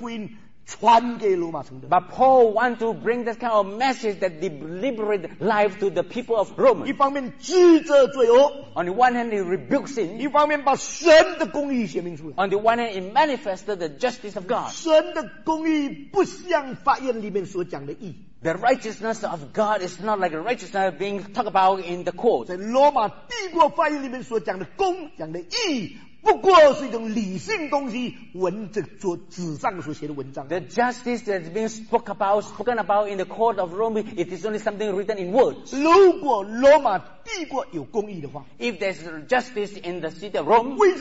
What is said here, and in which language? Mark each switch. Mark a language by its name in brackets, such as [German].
[Chinese] 保罗要把那个基督释放人的福音传给罗马城的。 [English] But Paul want to bring this kind of message that liberate life to the people of Rome. [Chinese] 一方面指责罪恶。 [English] On the one hand, he rebukes sin. [Chinese] 一方面把神的公义显明出来。 [English] On the one hand, he manifested the justice of God. [Chinese] 神的公义不像法院里面所讲的义。 [English] The righteousness of God is not like the righteousness being talked about in the court. [Chinese] 在罗马帝国法院里面所讲的公、讲的义。不过是一种理性东西，文字所纸上所写的文章。 [English] The justice that's been spoken about in the court of Rome, it is only something written in words. [Chinese] 如果罗马帝国有公义的话， [English] If there's justice in the city of Rome,